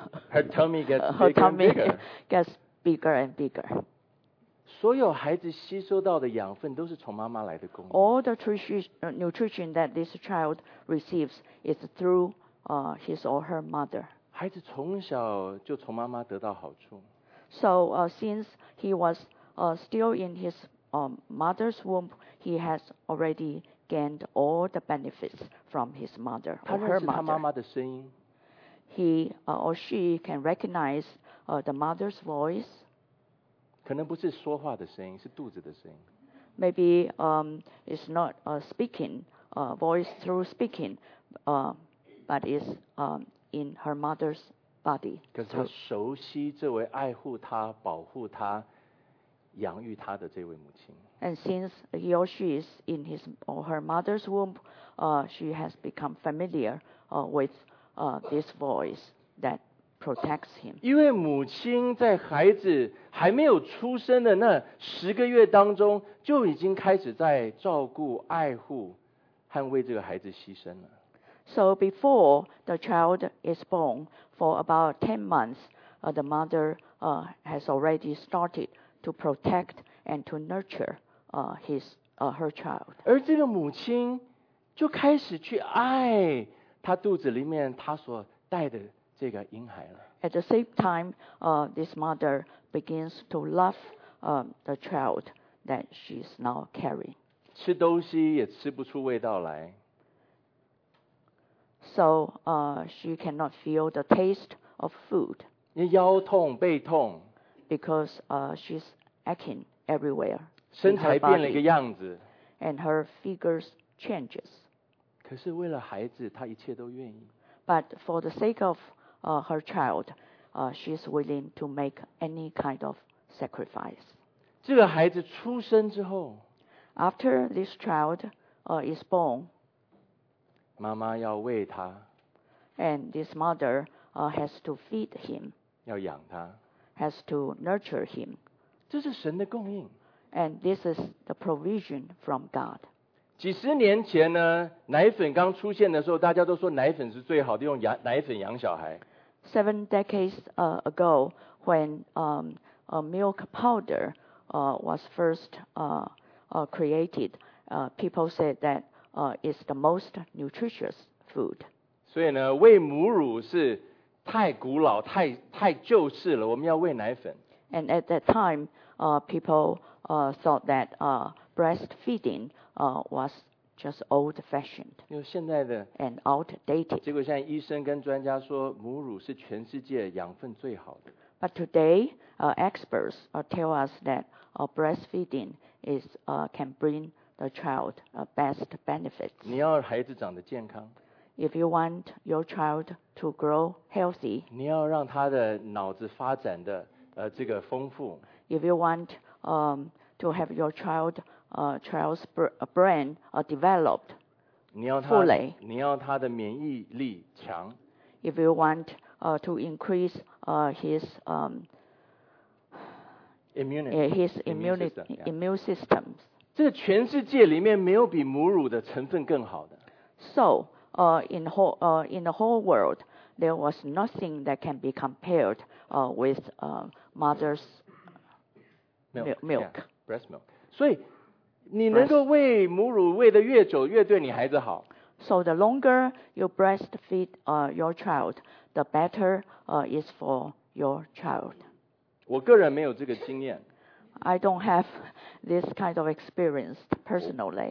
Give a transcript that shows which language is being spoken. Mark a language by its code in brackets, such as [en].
[en] her tummy gets bigger and bigger. Gets bigger and bigger. [zh] 所有孩子吸收到的养分都是从妈妈来的供应。 [en] All the nutrition that this child receives is through his or her mother. [zh] 孩子从小就从妈妈得到好处。 [en] So since he was still in his mother's womb, he has already gained all the benefits from his mother or her mother. [zh] 他妈妈的声音。 [en] He or she can recognize the mother's voice. [zh] 可能不是说话的声音，是肚子的声音。 [en] Maybe it's not speaking voice through speaking, but it's in her mother's body. [zh] 可是他熟悉这位爱护他、保护他、养育他的这位母亲。 [en] And since he or she is in his or her mother's womb, she has become familiar with this voice that protects him. [zh] 因为母亲在孩子还没有出生的那十个月当中就已经开始在照顾、爱护和为这个孩子牺牲了。 [en] So before the child is born, for about 10 months, the mother has already started to protect and to nurture her child. [zh] 而这个母亲就开始去爱她肚子里面她所带的这个婴孩了。 [en] At the same time, this mother begins to love the child that she's now carrying. [zh] 吃东西也吃不出味道来。 [en] So she cannot feel the taste of food. [zh] 腰痛、背痛。 [en] Because she's aching everywhere. [zh] 身材变了一个样子。 [en] And her figure changes. [zh] 可是为了孩子，她一切都愿意。 [en] But for the sake of her child, she is willing to make any kind of sacrifice. [zh] 这个孩子出生之后 [en] ，After this child is born, [zh] 妈妈要喂他 [en] ，And this mother has to feed him. [zh] 要养他 [en] ，Has to nurture him. [zh] 这是神的供应 [en] ，And this is the provision from God. [zh] 几十年前呢，奶粉刚出现的时候，大家都说奶粉是最好的，用奶粉养小孩。 [en] Seven decades ago, when milk powder was first created, people said that it's the most nutritious food. [zh] 所以呢，喂母乳是太古老、太旧式了，我们要喂奶粉。 [en] And at that time, people thought that breastfeeding. Was just old-fashioned and outdated. [zh] 结果现在医生跟专家说，母乳是全世界养分最好的。 [en] But today, experts tell us that breastfeeding is can bring the child best benefits. [zh] 你要孩子长得健康。 [en] If you want your child to grow healthy, [zh] 你要让他的脑子发展的这个丰富。 [en] If you want to have your child child's brain developed fully. [zh] 你要他的免疫力强。 [en] If you want to increase his immune system. [zh] 这全世界里面没有比母乳的成分更好的。 [en] So in the whole world, there was nothing that can be compared with mother's milk. Yeah, breast milk. [zh] 所以你能够喂母乳喂得越久越对你孩子好。 [en] So the longer you breastfeed your child, the better is for your child. [zh] 我个人没有这个经验。 [en] I don't have this kind of experience personally.